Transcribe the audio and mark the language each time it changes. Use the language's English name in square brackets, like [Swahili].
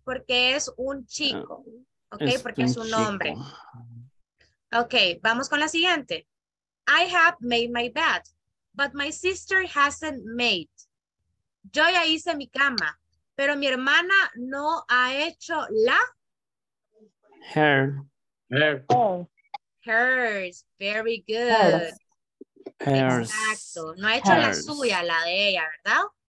[Spanish] Porque es un chico, ok, es porque es un hombre. Ok, vamos con la siguiente. [English] I have made my bed, but my sister hasn't made. [Spanish] Yo ya hice mi cama, pero mi hermana no ha hecho la... [English] Hers. Very good. Hers. [Spanish] Exacto. No ha hecho la suya, la de ella, ¿verdad?